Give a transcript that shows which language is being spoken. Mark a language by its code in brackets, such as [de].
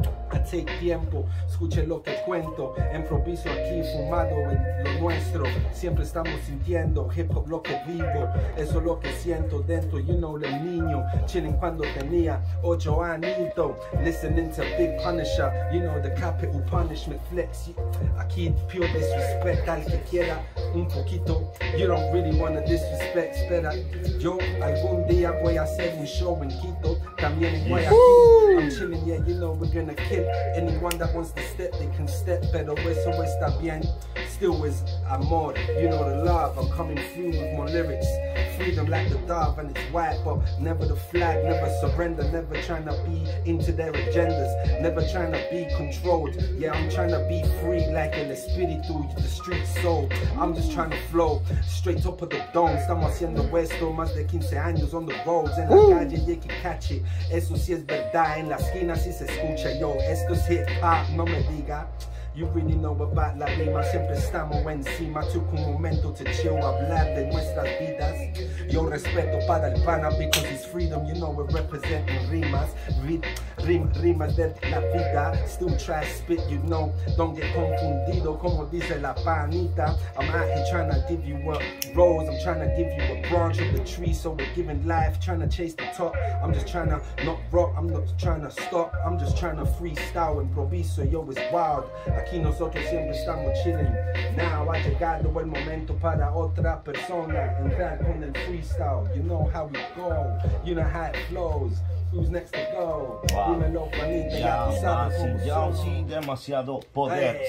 [en] I take [es] tiempo, escuche lo que cuento. Improviso aquí, fumado en lo nuestro. Siempre estamos sintiendo hip hop lo que vivo. Eso es lo que siento dentro, [en] you know, [es] del niño. [en] Chilling [es] cuando tenía 8 añitos. [en] Listening to Big Punisher, you know, the capital punishment flex. [es] Aquí, [en] pure disrespect [es] al que quiera un poquito. [en] You don't really wanna disrespect. [es] Espera, yo algún día voy a hacer un show en Quito. También en Guayaquil. [en] I'm chilling, yeah, you know, we're gonna kick. Anyone that wants to step, they can step. [es] Pero eso está bien. [en] Still is amor, you know, the love. I'm coming through with more lyrics. Freedom like the dove and it's white. But never the flag, never surrender. Never trying to be into their agendas. Never trying to be controlled. Yeah, I'm trying to be free like [es] el espíritu, [en] the street soul. I'm just trying to flow straight up of the dome. [es] Estamos haciendo esto más de 15 años [en] on the roads. [es] En la calle y que [en] catch it. [es] Eso sí es verdad. En la esquina sí se escucha. Yo, esto es hip hop. No me diga. [en] You really know about [es] la rima. Siempre estamos encima. [en] Took [es] un momento [en] to chill. [es] Hablar de nuestras vidas. Yo respeto para el pana. [en] Because it's freedom. You know we're representing rimas. [es] Rimas de la vida. [en] Still try to spit, you know. Don't get confundido. [es] Como dice la panita. [en] I'm out here trying to give you a rose. I'm trying to give you a branch of the tree. So we're giving life. Trying to chase the top. I'm just trying to not rock. I'm not trying to stop. I'm just trying to freestyle. [es] Improviso. [en] Yo, it's wild. [es] Aquí nosotros siempre estamos [en] chilling. Now [es] ha llegado el momento para otra persona entrar con el freestyle. [en] You know how we go. You know how it flows. Who's next to go? [es] Dímelo, Juanita, ya tú sabes cómo son. Ya sí, demasiado poder.